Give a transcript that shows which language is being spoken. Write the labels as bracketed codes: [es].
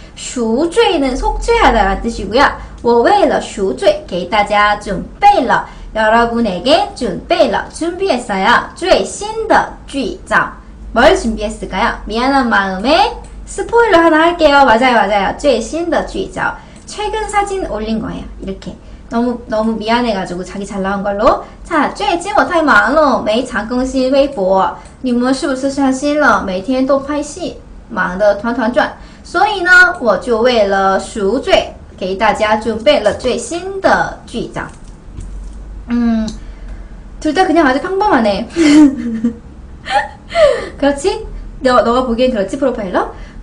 [ko] 赎罪는 속죄하다라는 뜻이고요. [zh] 我为了赎罪给大家准备了 [ko] 여러분에게 [zh] 준비了 [ko] 준비했어요. [zh] 最新的剧照. [ko] 뭘 준비했을까요? 미안한 마음에 스포일러 하나 할게요. 맞아요, 맞아요. [zh] 最新的剧照. [ko] 최근 사진 올린 거예요. 이렇게 너무 너무 미안해가지고 자기 잘 나온 걸로. 자, [zh] 最近我太忙了没常更新微博你们是不是伤心了每天都拍戏忙得团团转 所以呢,我就为了赎罪,给大家准备了最新的剧照. [ko] 둘 다 그냥 아주 평범하네. 그렇지? 너가 보기엔 그렇지, 프로파일러?